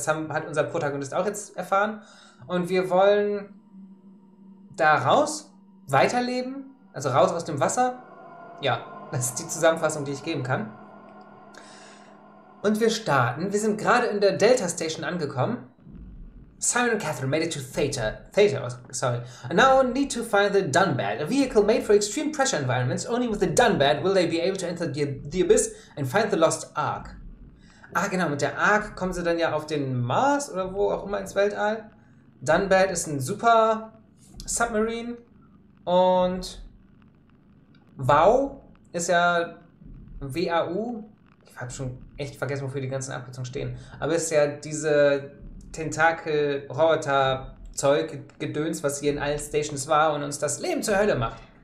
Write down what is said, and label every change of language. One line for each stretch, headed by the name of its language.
German: Hat unser Protagonist auch jetzt erfahren. Und wir wollen da raus, weiterleben. Also raus aus dem Wasser. Ja, das ist die Zusammenfassung, die ich geben kann. Und wir starten. Wir sind gerade in der Delta Station angekommen.
English: Simon and Catherine made it to Theta. Sorry. And now need to find the Dunbad, a vehicle made for extreme pressure environments. Only with the Dunbad will they be able to enter the Abyss and find the Lost Ark.
German: Ah, genau, mit der Ark kommen sie dann ja auf den Mars oder wo auch immer ins Weltall. Dunbat ist ein super Submarine. Und WAU ist ja WAU. Ich habe schon echt vergessen, wofür die ganzen Abkürzungen stehen. Aber es ist ja diese Tentakel-Roboter-Zeug-Gedöns, was hier in allen Stations war und uns das Leben zur Hölle macht.